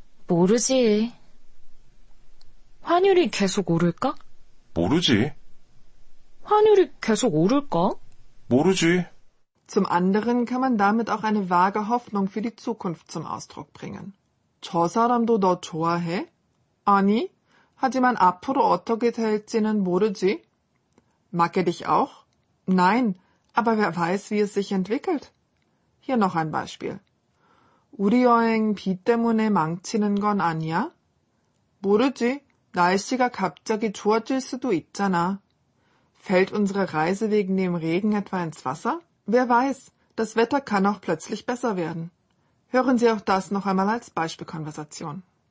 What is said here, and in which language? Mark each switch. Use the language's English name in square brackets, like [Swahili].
[Korean] 모르지. 환율이 계속 오를까? 모르지. 환율이 계속 오를까? 모르지. [German] Zum anderen kann man damit auch eine vage Hoffnung für die Zukunft zum Ausdruck bringen. [Korean] 저 사람도 너 좋아해? 아니, 하지만 앞으로 어떻게 될지는 모르지. [German] Mag er dich auch? Nein, aber wer weiß, wie es sich entwickelt. Hier noch ein Beispiel. [Korean] 우리 여행 비 때문에 망치는 건 아니야? 모르지, 날씨가 갑자기 좋아질 수도 있잖아. [German] Fällt unsere Reise wegen dem Regen etwa ins Wasser? Wer weiß, das Wetter kann auch plötzlich besser werden. Hören Sie auch das noch einmal als Beispielkonversation.